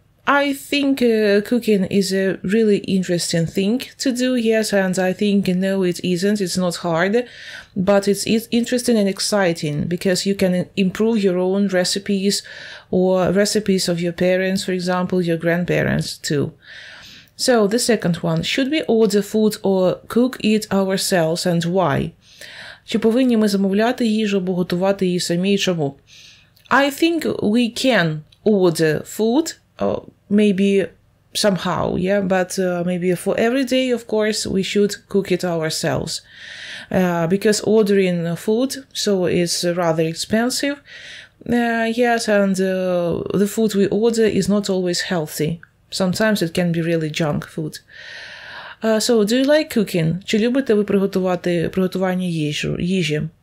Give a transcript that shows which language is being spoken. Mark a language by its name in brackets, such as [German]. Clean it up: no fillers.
[English] I think cooking is a really interesting thing to do, yes, and I think, no, it isn't, it's not hard, but it's interesting and exciting because you can improve your own recipes or recipes of your parents, for example, your grandparents too. So the second one, should we order food or cook it ourselves and why? [Ukrainian] Чи повинні ми замовляти їжу або готувати її самі і чому? [English] I think we can order food. Maybe somehow, yeah, but maybe for every day, of course, we should cook it ourselves. Because ordering food, so it's rather expensive. Yes, and the food we order is not always healthy. Sometimes it can be really junk food. So, do you like cooking? [Ukrainian] Чи любите ви приготувати приготування їжі?